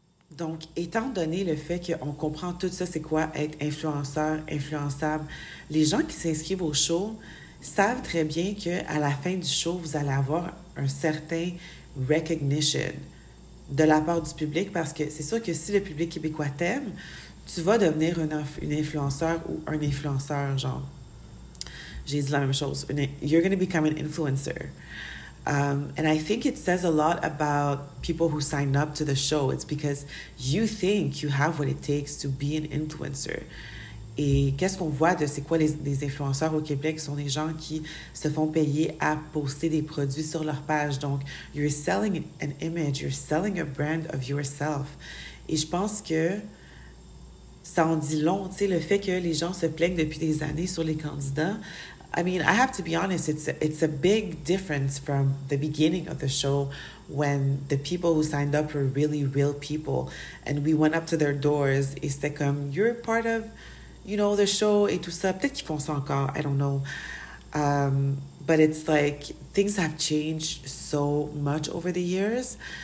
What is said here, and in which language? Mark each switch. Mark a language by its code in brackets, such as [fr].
[fr] Donc, étant donné le fait qu'on comprend tout ça, c'est quoi être influenceur, influençable, les gens qui s'inscrivent au show savent très bien qu'à la fin du show, vous allez avoir un certain recognition de la part du public, parce que c'est sûr que si le public québécois t'aime, tu vas devenir une influenceur ou un influenceur, genre. J'ai dit la même chose. [en] You're going to become an influencer. And I think it says a lot about people who sign up to the show. It's because you think you have what it takes to be an influencer. [fr] Et qu'est-ce qu'on voit de c'est quoi les influenceurs au Québec? Ce sont des gens qui se font payer à poster des produits sur leur page. [en] Donc, you're selling an image, you're selling a brand of yourself. [fr] Et je pense que ça en dit long, tu sais, le fait que les gens se plaignent depuis des années sur les candidats. [en] I mean, I have to be honest, it's a big difference from the beginning of the show when the people who signed up were really real people. And we went up to their doors [fr] et c'était comme, [en] you're part of, you know, the show [fr] et tout ça. Peut-être qu'ils font ça encore, [en] I don't know. But it's like, things have changed so much over the years.